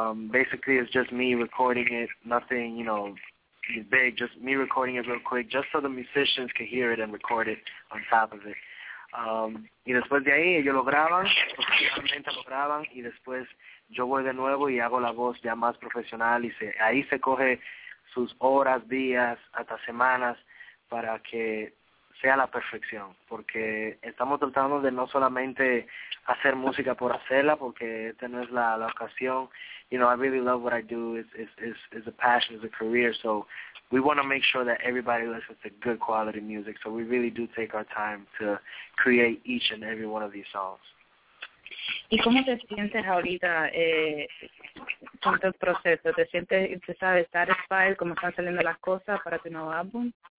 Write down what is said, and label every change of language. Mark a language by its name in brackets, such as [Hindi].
[English] Basically, it's just me recording it, nothing, you know, big, just me recording it real quick, just so the musicians can hear it and record it on top of it. [Spanish] Y después de ahí, ellos lo graban, profesionalmente lo graban, y después yo voy de nuevo y hago la voz ya más profesional, y ahí se coge sus horas, días, hasta semanas, para que sea la perfección, porque estamos tratando de no solamente hacer música por hacerla, porque esta no es la ocasión. [English] You know, I really love what I do. It's a passion, it's a career, so we want to make sure that everybody listens to good quality music, so we really do take our time to create each and every one of these songs. [Spanish] ¿Y cómo te sientes ahorita con todo el proceso? ¿Te sientes, tú sabes, satisfied, cómo están saliendo las cosas para tu nuevo álbum?